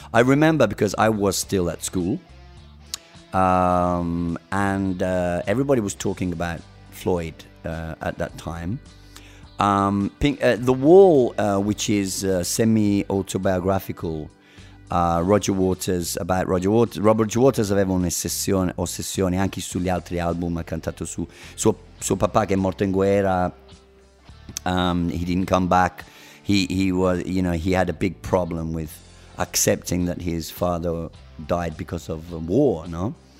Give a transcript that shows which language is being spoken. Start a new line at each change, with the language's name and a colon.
English: I remember because I was still at school, and everybody was talking about Floyd. At that time, The Wall, which is semi-autobiographical, Roger Waters, about Roger Waters.
Italian: Roger Waters aveva un'ossessione anche sugli altri album, ha cantato su suo papà che è morto in guerra.
English: He didn't come back. He was, you know, he had a big problem with accepting that his father died because of war, no?